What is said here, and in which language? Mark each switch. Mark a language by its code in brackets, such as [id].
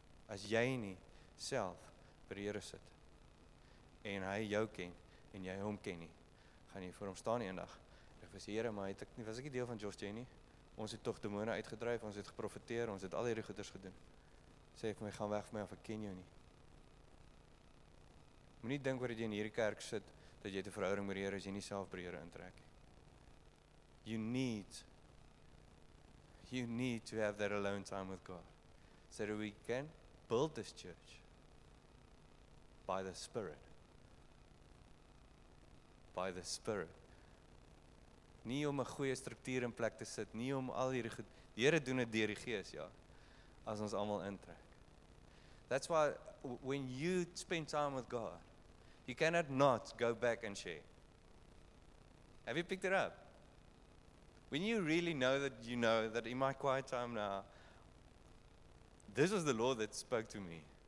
[af] As jy nie self by die Here sit, en Hy jou ken, en jy Hom ken nie, gaan jy voor Hom staan eendag. Ek was Here, maar was ek nie deel van Josh Jenny? Ons het tog demone uitgedryf, ons het geprofeteer, ons het al hierdie goeders gedoen. Sê vir my, gaan weg vir my, of ek ken jou nie. Moenie dink wat jy in hierdie kerk sit, dat jy te verhouding met die Here as jy nie self by die Here intrek. [en] You need to have that alone time with God, so that we can build this church by the Spirit. By the Spirit. [af] Nie om 'n goeie struktuur in plek te sit, nie om al hierdie goed, die Here doen dit deur die Gees, ja, as ons almal intrek. [en] That's why when you spend time with God, you cannot not go back and share. Have you picked it up? When you really know that in my quiet time now, this was the Lord that spoke to me.